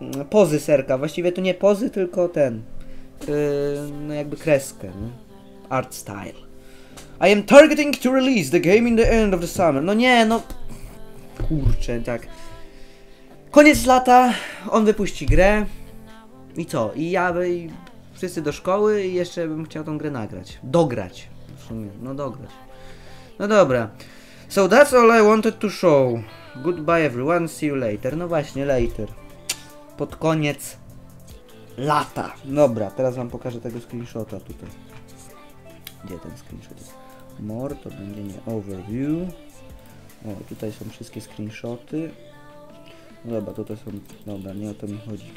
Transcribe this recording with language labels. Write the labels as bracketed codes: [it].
[pl] Pozy serka, właściwie to nie pozy, tylko ten. No jakby kreskę, nie? Art style. [en] I am targeting to release the game in the end of the summer. [pl] No nie, no. Kurczę, tak. Koniec lata, on wypuści grę. I co? I ja by. Wszyscy do szkoły i jeszcze bym chciał tą grę nagrać. Dograć. W sumie, no dograć. No dobra. [en] So that's all I wanted to show. Goodbye everyone, see you later. [pl] No właśnie, later. Pod koniec lata. Dobra, teraz wam pokażę tego screenshota tutaj. Gdzie ten screenshot jest? More, to będzie nie overview. O, tutaj są wszystkie screenshoty. Dobra, tutaj są, dobra, nie o to mi chodzi.